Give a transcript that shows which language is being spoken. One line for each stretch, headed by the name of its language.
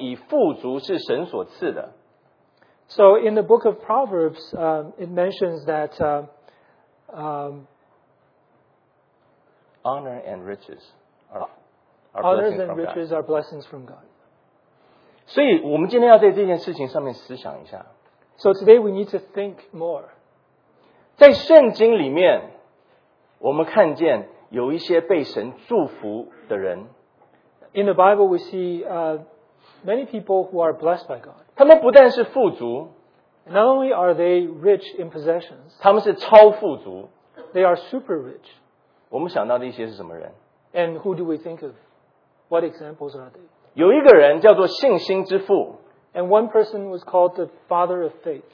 Chinese: 可是圣经里面，在箴言里面，这个智慧的书信里面告诉我们，尊荣与富足是神所赐的。
English: So in the book of Proverbs, it mentions that honor and riches are honors and riches are blessings from God.
Chinese: 所以我们今天要在这件事情上面思想一下。
English: So today we need to think more.
Chinese: 在圣经里面。我们看见有一些被神祝福的人
English: In the Bible we see many people who are blessed by God
Chinese: 他们不但是富足
English: Not only are they rich in possessions
Chinese: 他们是超富足
English: They are super rich
Chinese: 我们想到的一些是什么人
English: And who do we think of? What examples are they?
Chinese: 有一个人叫做信心之父
English: And one person was called the father of faith